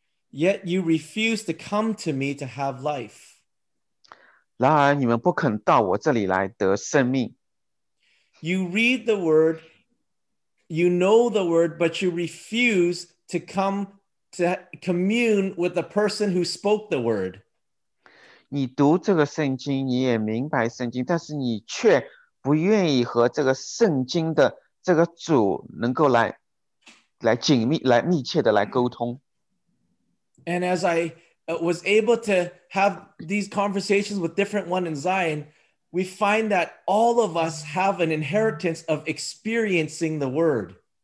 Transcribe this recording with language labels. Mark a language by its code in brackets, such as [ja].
[en] Yet you refuse to come to me to have life. [zh] 然而你们不肯到我这里来得生命。 [en] You read the word, you know the word, but you refuse to come to commune with the person who spoke the word. [zh] 你读这个圣经，你也明白圣经，但是你却不愿意和这个圣经的这个主能够来紧密、来密切的来沟通。 [en] And as I was able to have these conversations with different ones in Zion, we find that all of us have an inheritance of experiencing the word.